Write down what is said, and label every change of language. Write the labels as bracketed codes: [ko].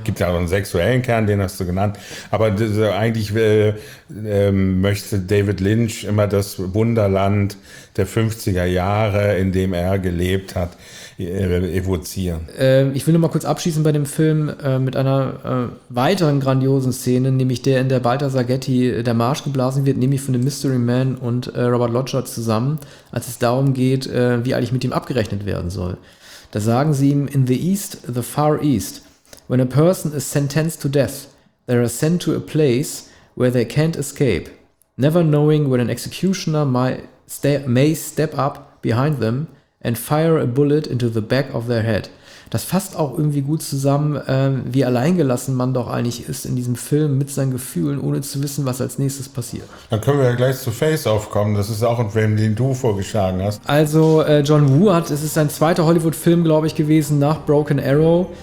[de] Gibt ja auch einen sexuellen Kern, den hast du genannt. Aber das, eigentlich möchte David Lynch immer das Wunderland der 50er Jahre, in dem er gelebt hat, evozieren. Ich will noch mal kurz abschließen bei dem Film mit einer weiteren grandiosen Szene, nämlich der, in der Balthasar Getty der Marsch geblasen wird, nämlich von dem Mystery Man und Robert Lodger zusammen, als es darum geht, wie eigentlich mit ihm abgerechnet werden soll. Da sagen sie ihm, [en] in the East, the Far East, when a person is sentenced to death, they are sent to a place where they can't escape, never knowing when an executioner may step up behind them and fire a bullet into the back of their head. [de] Das fasst auch irgendwie gut zusammen, wie alleingelassen man doch eigentlich ist in diesem Film mit seinen Gefühlen, ohne zu wissen, was als nächstes passiert. Dann können wir ja gleich zu Face-Off kommen. Das ist auch ein Film, den du vorgeschlagen hast. Also John Woo hat, es ist sein zweiter Hollywood-Film, glaube ich, gewesen nach Broken Arrow.